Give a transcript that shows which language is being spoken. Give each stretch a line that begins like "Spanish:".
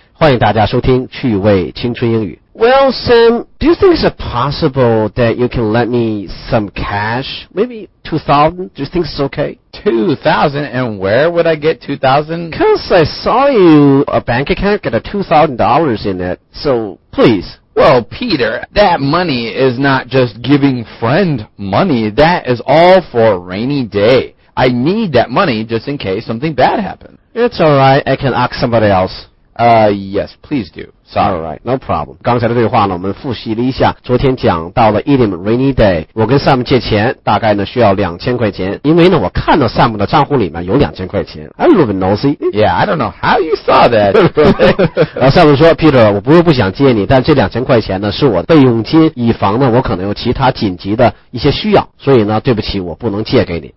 Chinese: 欢迎大家收听趣味青春英语。
English: Well, Sam, do you think it's possible that you can lend me some cash? Maybe 2,000? Do you think it's okay? 2,000? And where would I get 2,000? Because I saw you, a bank account, got a $2,000 in it. So, please. Well, Peter, that money is not just giving friend money. That is all for a rainy day. I need that money just in case something bad happens. It's all right. I can ask somebody else. Yes, please do. Sorry. All right, no problem.
Chinese: 刚才的对话呢，我们复习了一下。昨天讲到了 Idiom Rainy Day， 我跟 Sam 借钱，大概呢需要2000块钱，因为呢我看到 Sam 的账户里面有2000块钱。
English: I'm a little bit nosy. Yeah, I don't know how you saw that.
Chinese: 然后 Sam 说 ，Peter， 我不是不想借你，但这2000块钱呢是我备用金，以防呢我可能有其他紧急的一些需要，所以呢对不起，我不能借给你。